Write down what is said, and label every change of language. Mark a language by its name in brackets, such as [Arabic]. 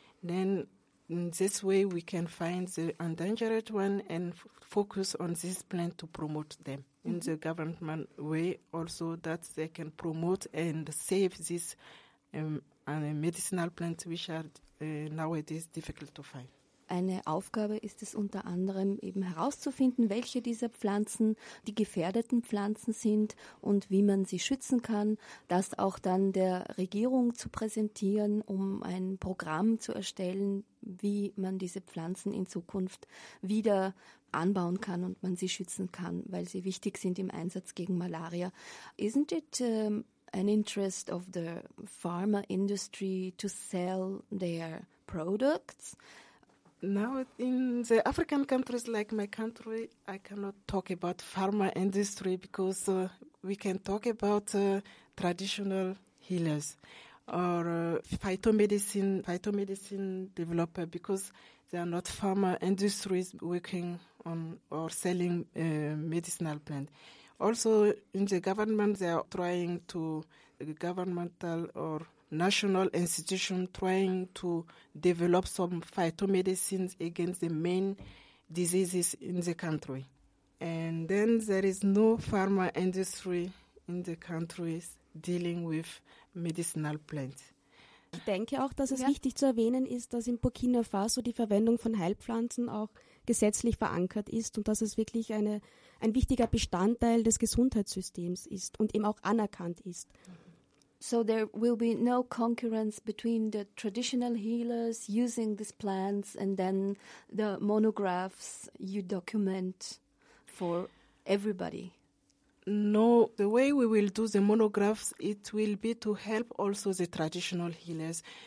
[English] Then in this way, we can find the endangered one and focus on this plant to promote them in the government way also, that they can promote and save these medicinal plants, which are nowadays difficult to find. [German] Eine Aufgabe ist es unter anderem eben herauszufinden, welche dieser Pflanzen die gefährdeten Pflanzen sind und wie man sie schützen kann, das auch dann der Regierung zu präsentieren, um ein Programm zu erstellen, wie man diese Pflanzen in Zukunft wieder anbauen kann und man sie schützen kann, weil sie wichtig sind im Einsatz gegen Malaria. [English] Isn't it an interest of the pharma industry to sell their products? Now, in the African countries like my country, I cannot talk about pharma industry because we can talk about traditional healers or phytomedicine developer, because they are not pharma industries working on or selling medicinal plants. Also, in the government, they are trying to, governmental or national institution trying to develop some phytomedicines against the main diseases in the country. And then there is no pharma industry in the countries dealing with medicinal plants. [German] Ich denke auch, dass es wichtig zu erwähnen ist, dass in Burkina Faso die Verwendung von Heilpflanzen auch gesetzlich verankert ist und dass es wirklich ein wichtiger Bestandteil des Gesundheitssystems ist und eben auch anerkannt ist. [English] So there will be no concurrence between the traditional healers using these plants and then the monographs you document for everybody? No, the way we will do the monographs, it will be to help also the traditional healers.